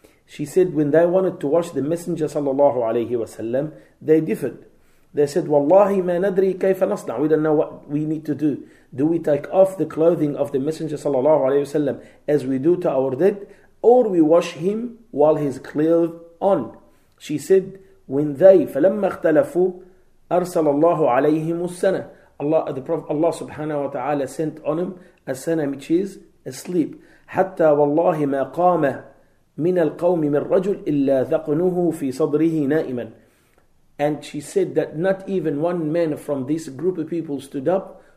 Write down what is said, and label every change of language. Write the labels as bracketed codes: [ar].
[en] She said, when they wanted to wash the Messenger sallallahu alayhi wa sallam, they differed. They said, [ar] "Wallahi ma nadri kayfa nasna." [en] We don't know what we need to do. Do we take off the clothing of the Messenger sallallahu alayhi wa sallam as we do to our dead, or we wash him while he's clothed on? She said, when they, [ar] فَلَمَّا اخْتَلَفُوا أَرْسَلَ اللَّهُ عَلَيْهِمُ السَّنَةِ. [en] Allah, the Prophet, Allah subhanahu wa ta'ala sent on him a sana, which is asleep. [ar] حَتَّى وَاللَّهِ مَا قَامَ مِنَ الْقَوْمِ مِنْ رَجُلِ إِلَّا ذَقْنُهُ فِي صَدْرِهِ نَائِمًا. [en] And she said that not even one man from this group of people stood up.